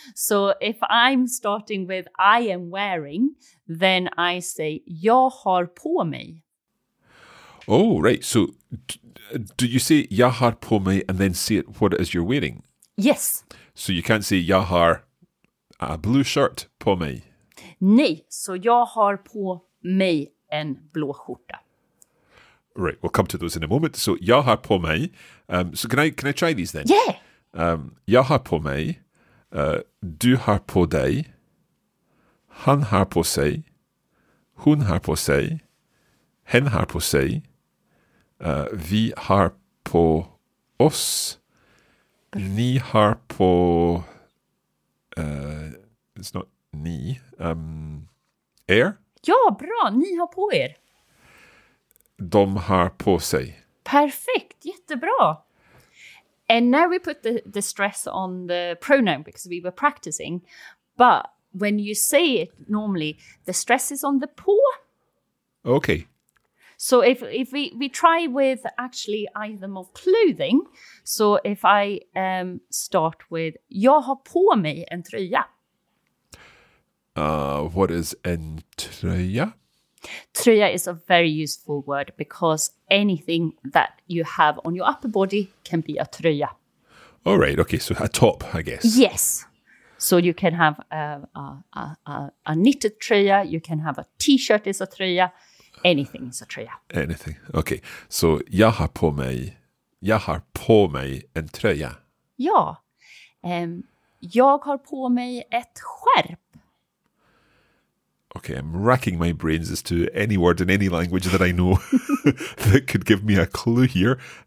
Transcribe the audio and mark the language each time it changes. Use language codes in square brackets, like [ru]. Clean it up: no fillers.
[en] So if I'm starting with I am wearing, then I say [sv] jag har på mig. [en] Oh, right. So do you say [sv] jag har på mig [en] and then say it what it is you're wearing? Yes. So you can't say [sv] jag har [en] a blue shirt [sv] på mig. Nej, så jag har på mig en blå skjorta. [en] Right, we'll come to those in a moment. So, [sv] jag har på mig. [en] So, can I try these then? Yeah. [sv] Jag har på mig. Du har på dig. Han har på sig. Hon har på sig. Hen har på sig. Vi har på oss. Ni har på... [en] it's not ni. Er? [sv] Ja, bra. Ni har på er. De har på sig. Perfekt, jättebra. [en] And now we put the stress on the pronoun because we were practicing. But when you say it normally, the stress is on the på. Okay. So if we try with actually item of clothing. So if I start with [sv] jag har på mig en tröja. [en] What is [sv] en tröja? [en] Tröja is a very useful word because anything that you have on your upper body can be a tröja. All right, okay, so a top, I guess. Yes, so you can have a knitted tröja, you can have a t-shirt is a tröja, anything is a tröja. Anything, okay. [sv] So jag har på mig en tröja. Ja, jag har på mig ett skärp. [en] Okay, I'm racking my brains as to any word in any language that I know that could give me a clue here.